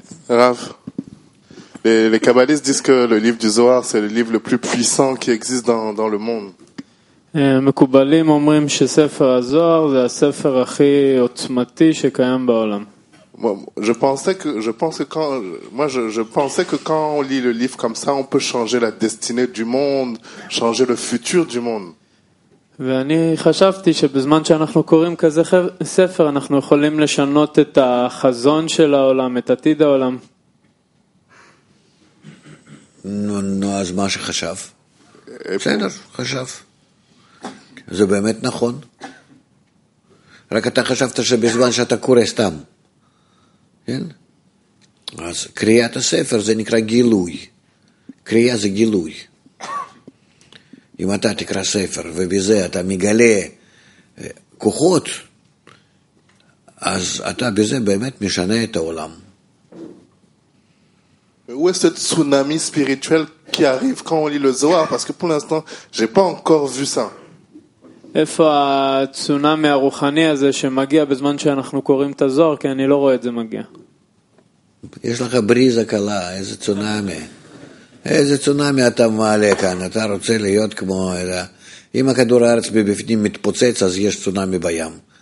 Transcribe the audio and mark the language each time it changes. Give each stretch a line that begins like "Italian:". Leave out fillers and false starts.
French: רב, les kabbalistes disent que le livre du Zohar c'est le livre le plus puissant qui existe dans le monde.
Hebrew: מקובלים אומרים שספר הזוהר זה הספר הכי עוצמתי שקיים בעולם.
French: Je pensais que quand on lit le livre comme ça, on peut changer la destinée du monde, changer le futur du monde.
Hebrew: ואני חשבתי שבזמן שאנחנו קוראים כזה ספר, אנחנו יכולים לשנות את החזון של העולם, את עתיד העולם. נו, אז מה שחשב? בסדר, חשב. זה באמת נכון. רק אתה חשבת שבזמן שאתה קורא סתם. כן? אז קריאת הספר זה נקרא גילוי. קריאה זה גילוי. אם אתה תקרא ספר ובזה אתה מגלה כוחות, אז אתה בזה באמת משנה את העולם.
French: Où est ce tsunami spirituel qui arrive quand on lit le Zohar? Parce que pour l'instant, j'ai pas encore vu ça.
Hebrew: איפה הצונאמי הרוחני הזה שמגיע בזמן שאנחנו קוראים את הזוהר, כי אני לא רואה את זה מגיע. יש לך בריזה קלה, איזה צונאמי. איזה צונאמי אתה מעלה כאן, אתה רוצה להיות כמו... אם הכדור הארץ בבפנים מתפוצץ, אז יש צונאמי בים.